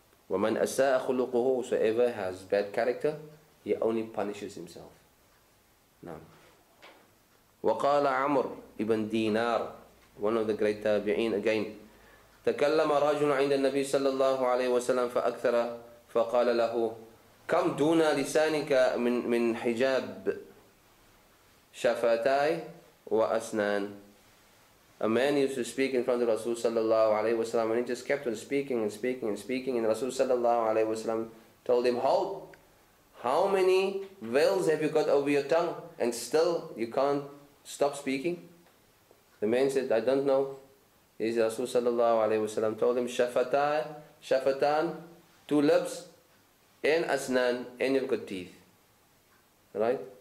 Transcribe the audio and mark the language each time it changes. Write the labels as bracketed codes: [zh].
[ar] وَمَنْ أَسَاءَ خُلُقُهُ, [en] whosoever has bad character, he only punishes himself. No. [ar] وَقَالَ عَمُرْ [en] ibn Dinar, one of the great tabi'een again, [ar] تَكَلَّمَ رَجُلٌ عِنْدَ النَّبِيِّ صَلَّى اللَّهُ عَلَيْهِ وَسَلَّمَ فَأَكْثَرَ فَقَالَ لَهُ كَمْ دُونَ لِسَانِكَ مِنْ حِجَابٍ Shafatai wa asnan. [en] A man used to speak in front of Rasul sallallahu alayhi wa sallam, and he just kept on speaking and speaking and speaking, and Rasul sallallahu alayhi wa sallam told him, "Halt! How many veils have you got over your tongue and still you can't stop speaking?" The man said, "I don't know." His Rasul sallallahu alayhi wa sallam told him, Shafatan, two lips, and asnan, and you've got teeth. Right?